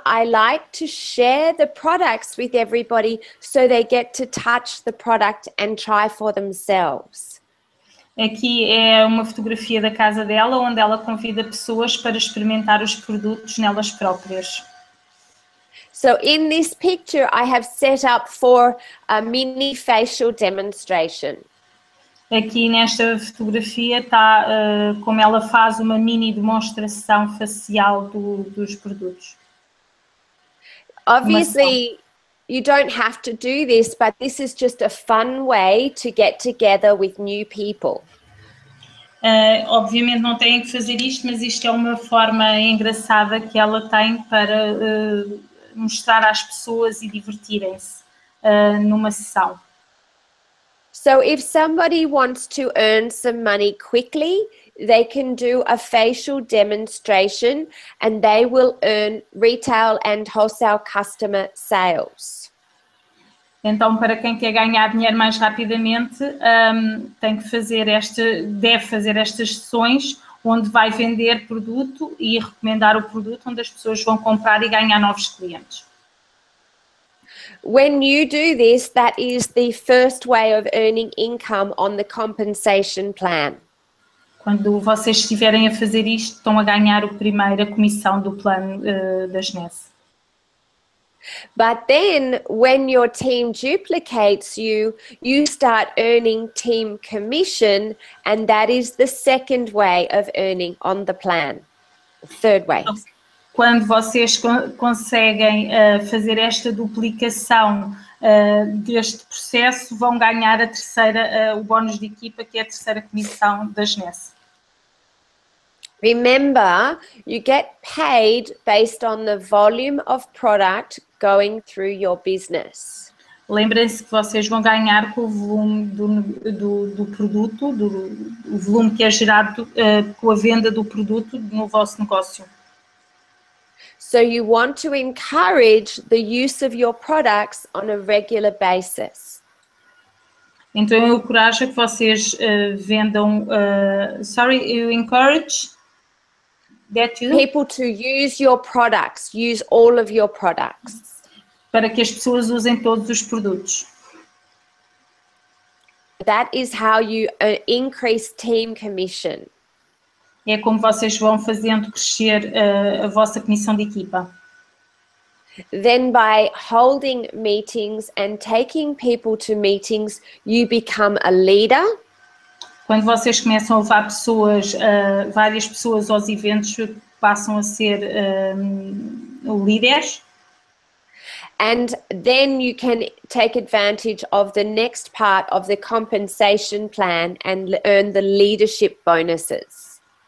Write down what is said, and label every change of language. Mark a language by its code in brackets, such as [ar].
[en] I like to share the products with everybody so they get to touch the product and try for themselves. [pt] Aqui é uma fotografia da casa dela, onde ela convida pessoas para experimentar os produtos nelas próprias. [en] So, in this picture, I have set up for a mini facial demonstration. [pt] Aqui nesta fotografia está como ela faz uma mini demonstração facial dos produtos. [en] Obviously, you don't have to do this, but this is just a fun way to get together with new people. [pt] Obviamente não têm que fazer isto, mas isto é uma forma engraçada que ela tem para mostrar às pessoas e divertirem-se numa sessão. [en] So if somebody wants to earn some money quickly, they can do a facial demonstration and they will earn retail and wholesale customer sales. [pt] Então, para quem quer ganhar dinheiro mais rapidamente, tem que fazer esta, deve fazer estas sessões onde vai vender produto e recomendar o produto, onde as pessoas vão comprar e ganhar novos clientes. [en] When you do this, that is the first way of earning income on the compensation plan. [pt] Quando vocês estiverem a fazer isto, estão a ganhar a primeira comissão do plano das NES. [en] But then, when your team duplicates you, you start earning team commission, and that is the second way of earning on the plan. Third way. [pt] Quando vocês conseguem fazer esta duplicação deste processo, vão ganhar a terceira, o bónus de equipa, que é a terceira comissão da GNES. [en] Remember, you get paid based on the volume of product going through your business. [pt] Lembrem-se que vocês vão ganhar com o volume do produto, o volume que é gerado com a venda do produto no vosso negócio. [en] So you want to encourage the use of your products on a regular basis. [pt] Então eu encorajo que vocês vendam, [en] you encourage that you... people to use your products, use all of your products. [pt] Para que as pessoas usem todos os produtos. [en] That is how you increase team commission. [pt] É como vocês vão fazendo crescer a vossa comissão de equipa. [en] Then by holding meetings and taking people to meetings, you become a leader. [pt] Quando vocês começam a levar pessoas, várias pessoas aos eventos, passam a ser líderes. [en] And then you can take advantage of the next part of the compensation plan and earn the leadership bonuses.